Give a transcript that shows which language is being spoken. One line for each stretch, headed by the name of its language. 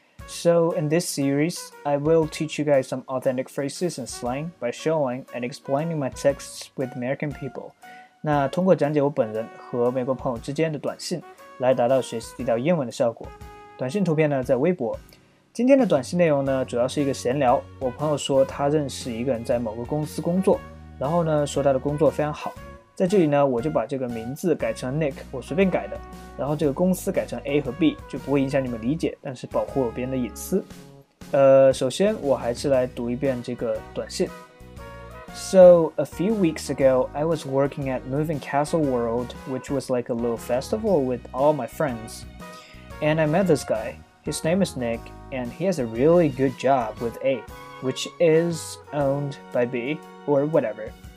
English: So in this series, I will teach you guys some authentic phrases and slang by showing and explaining my texts with American people.
Chinese: 那通过讲解我本人和美国朋友之间的短信，来达到学习地道英文的效果。短信图片呢在微博。今天的短信内容呢主要是一个闲聊，我朋友说他认识一个人在某个公司工作，然后呢说他的工作非常好，在这里呢我就把这个名字改成 Nick， 我随便改的，然后这个公司改成 A 和 B， 就不会影响你们理解，但是保护了别人的隐私。首先我还是来读一遍这个短信。
English: So a few weeks ago I was working at Moving Castle World, which was like a little festival with all my friends, and I met this guy. His name is NickAnd he has a really good job with A, which is owned by B, or whatever.